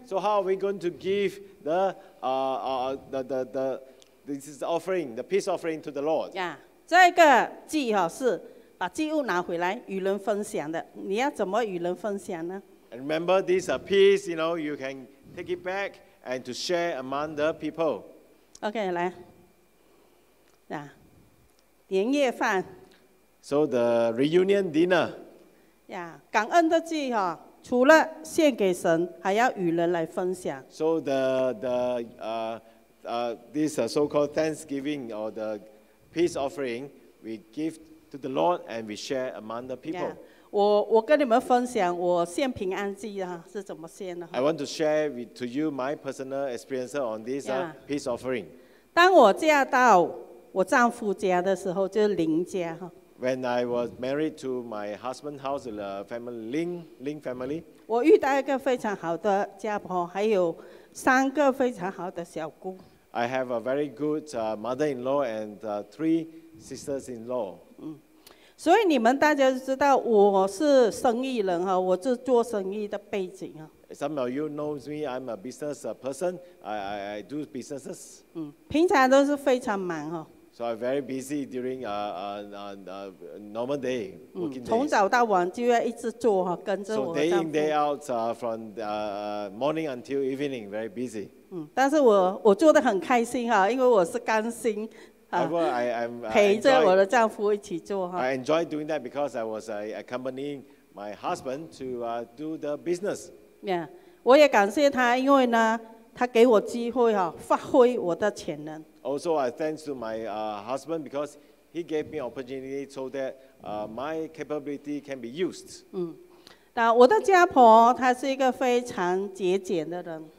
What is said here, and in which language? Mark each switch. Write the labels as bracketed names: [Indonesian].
[English] ？So how are we going to give the offering, the peace offering to the Lord? [Chinese] Yeah, 这个祭哈是把祭物拿回来与人分享的。你要怎么与人分享呢 [English] ？And remember, this peace, you know, you can take it back and to share among the people. [Chinese] Okay, 来，啊，年夜饭。 [English] So the reunion dinner. [Chinese] Yeah, 感恩的祭哈。除了献给神，还要与人来分享。 [English] So this so-called Thanksgiving or the peace offering, we give to the Lord and we share among the people. Yeah. [Chinese] 我跟你们分享我献平安祭啊是怎么献的。 [English] I want to share with to you my personal experience on this peace offering. [Chinese] 当我嫁到我丈夫家的时候，就是邻家哈。 [English] When I was married to my husband's house, the family Ling family, [Chinese] 我遇到一个非常好的家婆，还有三个非常好的小姑。 [English] I have a very good mother-in-law and three sisters-in-law. [Chinese] 所以你们大家知道我是生意人哈，我是做生意的背景啊。 [English] Some of you know me, I'm a business person. I do businesses. [Chinese] 平常都是非常忙哈。 [English] So I'm very busy during normal day working days. [Chinese] 从早到晚就要一直做哈，跟着我。 [English] So day in day out, from morning until evening, very busy. [Chinese] 但是我做得很开心哈，因为我是甘心 [English] 啊。I'm [Chinese] 陪着我的丈夫一起做哈。 [English] I enjoy doing that because I was accompanying my husband to do the business. [Chinese] Yeah, 我也感谢他，因为呢，他给我机会哈，发挥我的潜能。 [English] Also, I thanks to my husband because he gave me opportunity so that my capability can be used. [Chinese] 但我的家婆她是一个非常节俭的人。